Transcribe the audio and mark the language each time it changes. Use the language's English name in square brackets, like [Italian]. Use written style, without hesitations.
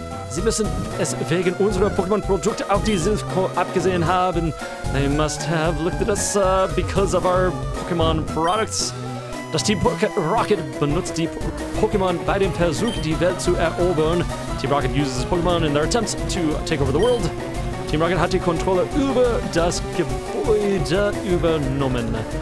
[German] Sie müssen es wegen unserer Pokémon-Produkte auf die Silph-Core abgesehen haben. [English] They must have looked at us because of our Pokémon products. [German] Das Team Rocket benutzt die Pokémon bei dem Versuch, die Welt zu erobern. [English] Team Rocket uses Pokémon in their attempts to take over the world. [German] Team Rocket hat die Kontrolle über das Gebäude übernommen.